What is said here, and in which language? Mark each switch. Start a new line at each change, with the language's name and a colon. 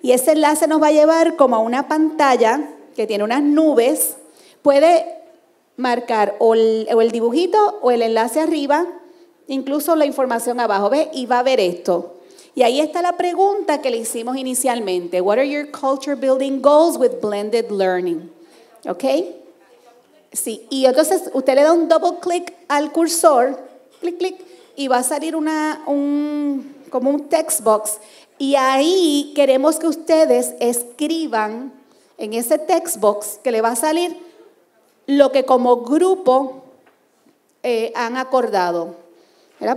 Spanish: Y ese enlace nos va a llevar como a una pantalla que tiene unas nubes. Puede marcar o el dibujito o el enlace arriba, incluso la información abajo, ¿ves? Y va a ver esto. Y ahí está la pregunta que le hicimos inicialmente.
English: What are your culture building goals with blended learning?
Spanish: ¿Ok? Sí, y entonces usted le da un double click al cursor, clic, clic, y va a salir como un text box. Y ahí queremos que ustedes escriban en ese text box que le va a salir lo que como grupo han acordado. ¿Verdad?